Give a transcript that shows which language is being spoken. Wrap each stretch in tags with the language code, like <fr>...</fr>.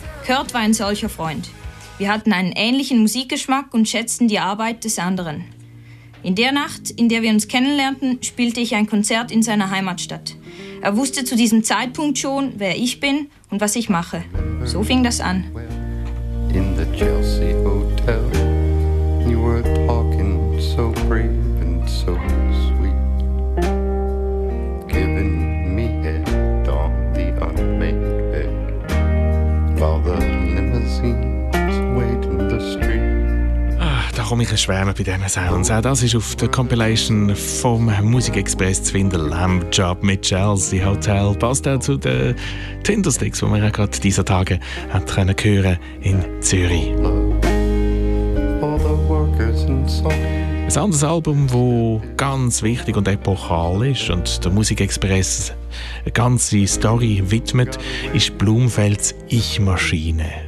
<de>Kurt war ein solcher Freund. Wir hatten einen ähnlichen Musikgeschmack und schätzten die Arbeit des anderen. In der Nacht, in der wir uns kennenlernten, spielte ich ein Konzert in seiner Heimatstadt. Er wusste zu diesem Zeitpunkt schon, wer ich bin und was ich mache. So fing das an.</de> <en>In the Chelsea Hotel, you were talking so brave and so sweet. Giving me head on the unmade bed, while the limousines wait in the street.</en> <de>Da komme ich ein Schwärmen bei diesen Sounds. Auch das ist auf der Compilation vom Musikexpress zu finden. Lamb Job mit Chelsea Hotel. Passt auch zu den Tindersticks, die man ja gerade dieser Tage hat hören können in Zürich. Ein anderes Album, das ganz wichtig und epochal ist und der Musikexpress eine ganze Story widmet, ist Blumfelds Ich-Maschine.</de>